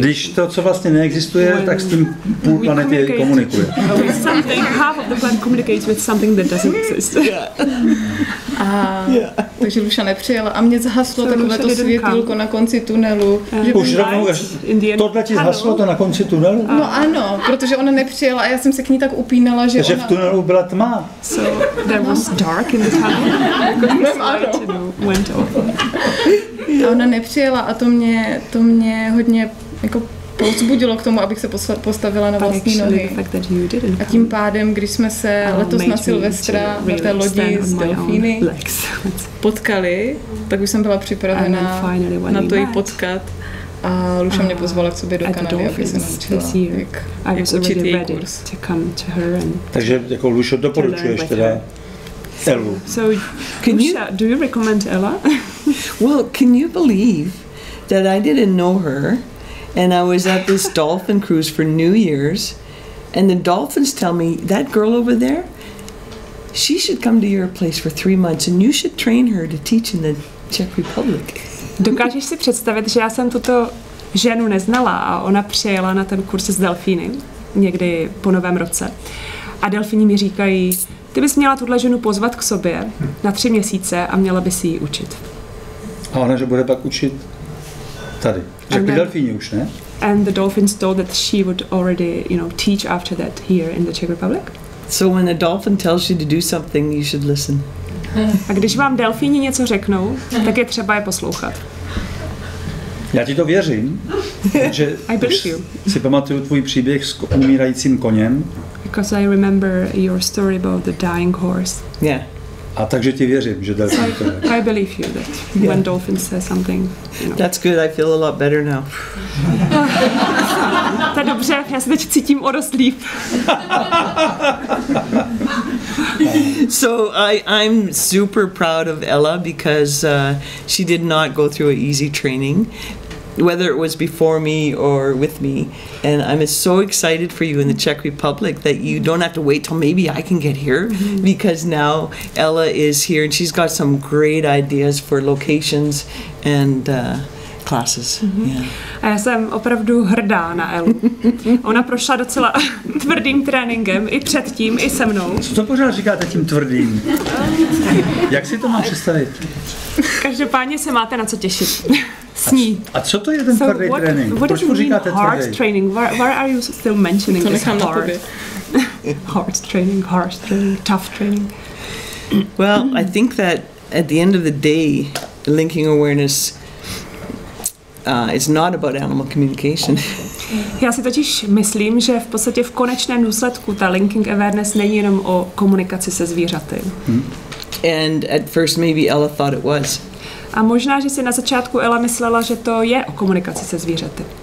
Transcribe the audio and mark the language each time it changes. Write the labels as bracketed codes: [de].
[cs] Když to, co vlastně neexistuje, when tak s tím půl planety komunikuje. [en] Half of the planet communicates with something that doesn't exist. Yeah. A, yeah. [cs] Takže Luša nepřijela a mě zhaslo so takové to světýlko na konci tunelu. Už rovnou, tohle ti zhaslo to na konci tunelu? No ano, protože ona nepřijela a já jsem se k ní tak upínala, že takže ona... v tunelu byla tma. [en] So there was dark in the tunnel. Went off. [cs] A ona nepřijela a to mě hodně jako povzbudilo k tomu, abych se postavila na vlastní nohy. A tím pádem, když jsme se letos na Silvestra na té lodi s delfíny potkali, tak už jsem byla připravena na to jí potkat. A Luša mě pozvala k sobě do Kanady, aby se naučila, jak učit její kurz. Takže jako Lušo, doporučuješ teda Elu. [en] So, can you, do you recommend Ella? Well, can you believe that I didn't know her and I was at this dolphin cruise for New Year's and the dolphins tell me, that girl over there, she should come to your place for 3 months and you should train her to teach in the Czech Republic. [cs] Dokážeš si představit, že já jsem tuto ženu neznala a ona přijela na ten kurz s delfíny někdy po novém roce. a delfíni mi říkají, ty bys měla tuhle ženu pozvat k sobě na 3 měsíce a měla bys jí učit. A ona, že bude pak učit tady. Řekli delfíni už, ne? [en] And the dolphins told that she would already, you know, teach after that here in the Czech Republic. So when a dolphin tells you to do something, you should listen. [cs] A když vám delfíni něco řeknou, tak je třeba je poslouchat. Já ti to věřím, že si pamatuju tvůj příběh s umírajícím koněm. [en] Because I remember your story about the dying horse. Yeah. [cs] A takže ti věřím, že delfíni to [en] je. I believe you that yeah. When dolphins say something. You know. That's good, I feel a lot better now. [cs] To je dobře, já se teď cítím o dost líp. [en] So I'm super proud of Ella because she did not go through an easy training, whether it was before me or with me. And I'm so excited for you in the Czech Republic that you don't have to wait till maybe I can get here, because now Ella is here and she's got some great ideas for locations and classes. Mm-hmm. [cs] Yeah. A já jsem opravdu hrdá na Elu. Ona prošla docela tvrdým tréninkem i předtím, i se mnou. Co to pořád říkáte tím tvrdým? Jak si to má představit? Každopádně se máte na co těšit. S ní. A co to je ten tvrdý trénink? Proč mu říkáte tvrdý? [en] Hard training. Why are you still mentioning this hard? hard training, tough training. Well, I think that at the end of the day, linking awareness it's not about animal communication. [cs] Já si totiž myslím, že v podstatě v konečném důsledku ta linking awareness není jenom o komunikaci se zvířaty. [en] And at first maybe Ella thought it was. [cs] A možná, že si na začátku Ella myslela, že to je o komunikaci se zvířaty.